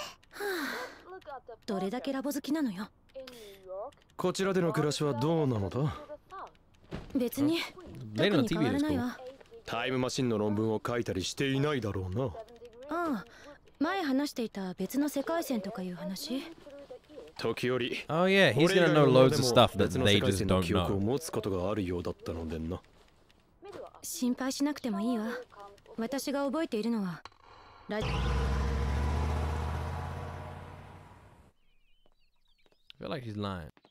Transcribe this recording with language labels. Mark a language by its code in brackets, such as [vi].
[ja] はあ、どれだけラボ好きなのよ。こちらでの暮らしはどうなのだ。別に特に変わらないわ。タイムマシンの論文を書いたりしていないだろうな。ああ、前話していた別の世界線とかいう話。時折。 [en] Oh yeah, he's gonna know loads of stuff that they just don't know. [ja] 記憶を持つことがあるようだったのでな。心配しなくてもいいわ。私が覚えているのはラジ。 [en] I feel like he's lying.